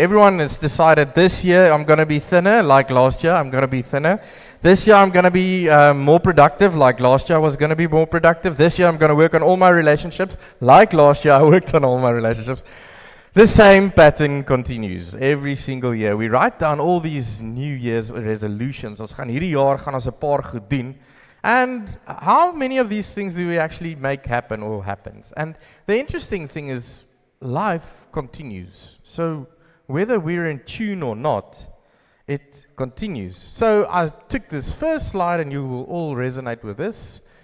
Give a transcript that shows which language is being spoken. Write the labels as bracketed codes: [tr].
[en] Everyone has decided this year I'm going to be thinner, like last year I'm going to be thinner. This year I'm going to be more productive, like last year I was going to be more productive. This year I'm going to work on all my relationships, like last year I worked on all my relationships. The same pattern continues every single year. We write down all these New Year's resolutions. [af] Ons gaan hierdie jaar gaan ons 'n paar goed doen. [en] And how many of these things do we actually make happen or happens? And the interesting thing is life continues. So whether we're in tune or not, it continues. So I took this first slide and you will all resonate with this.